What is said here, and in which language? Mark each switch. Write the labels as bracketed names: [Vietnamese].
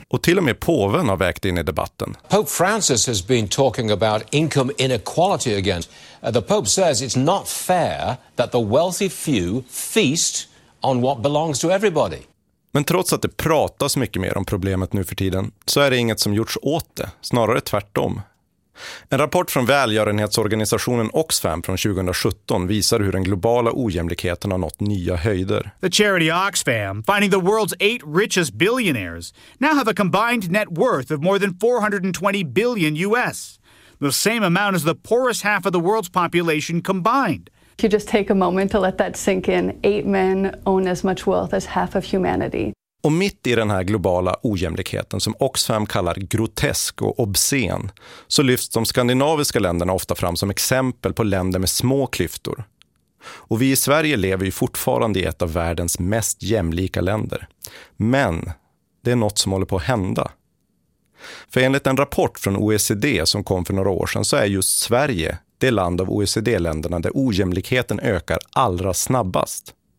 [Swedish] Och till och med påven har vägt in i debatten. [English] Pope Francis has been talking about income inequality again. The Pope says it's not fair that the wealthy few feast on what belongs to everybody. [Swedish] Men trots att det pratas mycket mer om problemet nu för tiden så är det inget som gjorts åt det, snarare tvärtom. En rapport från välgörenhetsorganisationen Oxfam från 2017 visar hur den globala ojämlikheten har nått nya höjder. [English] The charity Oxfam, finding the world's 8 richest billionaires, now have a combined net worth of more than 420 billion US. The same amount as the poorest half of the world's population combined. If you just take a moment to let that sink in, 8 men own as much wealth as half of humanity. [Swedish] Och mitt i den här globala ojämlikheten som Oxfam kallar grotesk och obscen så lyfts de skandinaviska länderna ofta fram som exempel på länder med små klyftor. Och vi i Sverige lever ju fortfarande i ett av världens mest jämlika länder. Men det är något som håller på att hända. För enligt en rapport från OECD som kom för några år sedan så är just Sverige det land av OECD-länderna där ojämlikheten ökar allra snabbast.